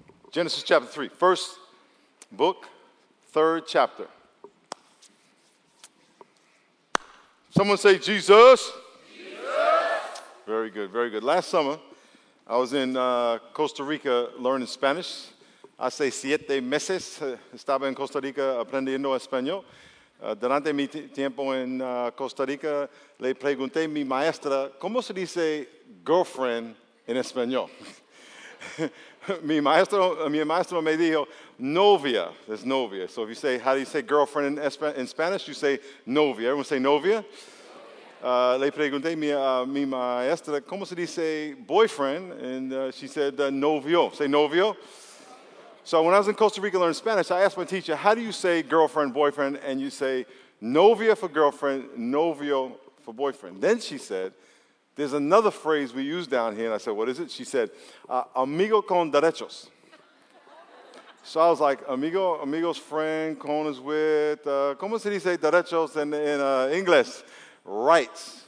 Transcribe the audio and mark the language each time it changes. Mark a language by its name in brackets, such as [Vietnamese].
[English] Genesis chapter 3. First book, third chapter. Someone say, Jesus. Jesus. Very good, very good. Last summer, I was in Costa Rica learning Spanish. [Spanish] Hace siete meses estaba en Costa Rica aprendiendo español. Durante mi tiempo en Costa Rica, le pregunté a mi maestra, ¿cómo se dice [English] girlfriend [Spanish] en español? mi maestro me dijo, novia. [English] That's novia. So if you say, how do you say girlfriend in Spanish? You say novia. Everyone say novia. [Spanish] Le pregunté a mi maestra, ¿cómo se dice [English] boyfriend? And she said, novio. Say novio. So when I was in Costa Rica learning Spanish, I asked my teacher, how do you say girlfriend, boyfriend? And you say novia for girlfriend, novio for boyfriend. Then she said, there's another phrase we use down here. And I said, what is it? She said, [Spanish] amigo con derechos. [English] So I was like, amigo's friend, con is with, [Spanish] ¿cómo se dice derechos [English] in English? Rights.